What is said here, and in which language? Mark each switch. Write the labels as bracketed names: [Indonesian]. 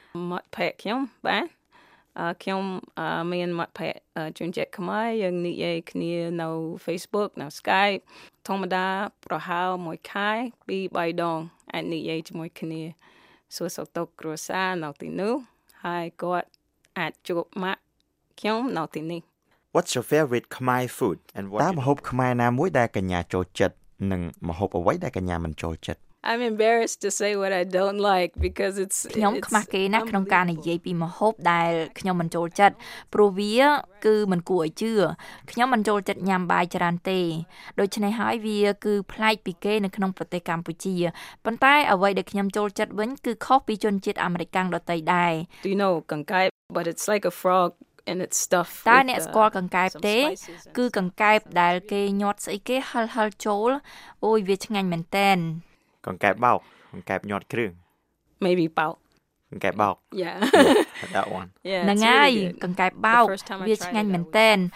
[Khmer] មាត់ភាសាខ្ញុំបាទខ្ញុំមានមាត់ភាសាជួនជាខ្មែរយើងនិយាយគ្នានៅ Facebook នៅ Skype ធម្មតាប្រហែលមួយខែពីរបីដងអាចនិយាយជាមួយគ្នាសួរសុខទុក្ខគ្រួសារនៅទីនោះហើយគាត់អាចជួបមកខ្ញុំនៅទីនេះ [English] What's your favorite Khmer food and what [Khmer] តាមហូបខ្មែរណាមួយដែលកញ្ញាចូលចិត្តនឹងមហូបអ្វីដែលកញ្ញាមិនចូលចិត្ត [English] I'm embarrassed to say what I don't like because it's [Khmer] ខ្ញុំខ្មាស់គេណាស់ក្នុងការនិយាយពីមហូបដែលខ្ញុំមិនចូលចិត្តព្រោះវាគឺមិនគួរឲ្យជឿខ្ញុំមិនចូលចិត្តញ៉ាំបាយច្រើនទេដូច្នេះហើយវាគឺប្លែកពីគេនៅក្នុងប្រទេសកម្ពុជាប៉ុន្តែអ្វីដែលខ្ញុំចូលចិត្តវិញគឺខុសពីជនជាតិអាមេរិកាំងដទៃដែរ [English] Do you know កង្កែប But it's like a frog and it's stuffed with some spices. [Khmer] តាអ្នកស្គាល់កង្កែបទេ? គឺកង្កែបដែលគេញាត់ស្អីគេហិលហិលចូល? អូយវាឆ្ងាញ់មែនទែន! កង្កែបបោក! កង្កែបញាត់គ្រឿង! [English] Maybe បោក! [Khmer] កង្កែបបោក! [English] Yeah. That one. Yeah. [Khmer] ណ៎ងាយ! កង្កែបបោក! វាឆ្ងាញ់មែនទែន!